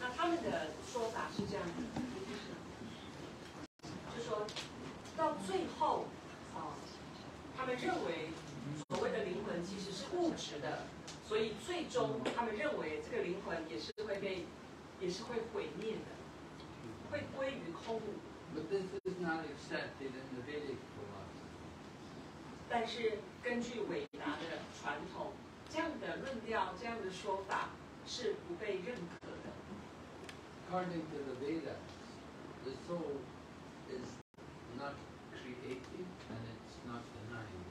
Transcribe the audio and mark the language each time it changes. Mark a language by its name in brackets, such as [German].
[Chinese] 那他们的说法是这样的，就说到最后，他们认为所谓的灵魂其实是物质的，所以最终他们认为这个灵魂也是会毁灭的，会归于空无。 [English] But this is not accepted in the Vedic philosophy. [Chinese] 但是根据伟达的传统，这样的论调，这样的说法是不被认可的。 [English] According to the Vedas, the soul is not created and it's not denied.